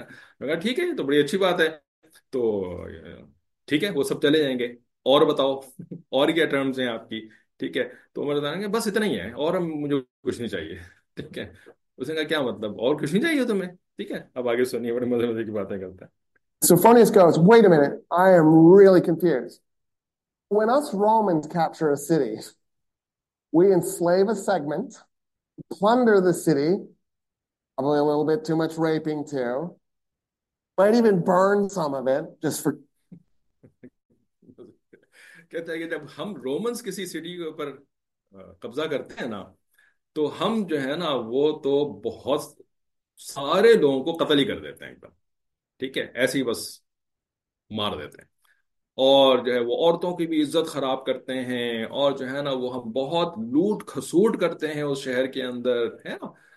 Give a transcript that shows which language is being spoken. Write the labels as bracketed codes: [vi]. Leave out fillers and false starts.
[hi] मैंने कहा ठीक है, ये तो बड़ी अच्छी बात है, तो ठीक है वो सब चले जाएंगे, और बताओ और क्या टर्म्स हैं आपकी, ठीक है। तो उम्र बताएंगे बस इतना ही है और मुझे कुछ नहीं चाहिए, ठीक है। उसने कहा क्या मतलब और कुछ नहीं चाहिए तुम्हें, ठीक है, अब आगे सुनिए, बड़े मजे मजे की बातें करते हैं। [en] So Funnius goes, wait a minute, I am really confused. When us Romans capture a city, we enslave a segment, plunder the city, probably a little bit too much raping too, might even burn some of it just for. [hi] कहता है कि जब हम Romans किसी city के ऊपर कब्जा करते हैं ना, तो हम जो है ना वो तो बहुत सारे लोगों को कत्ल ही कर देते हैं एकदम, ठीक है, ऐसे ही बस मार देते हैं, और जो है वो औरतों की भी इज्जत खराब करते हैं, और जो है ना वो हम बहुत लूट खसूट करते हैं उस शहर के अंदर, है ना।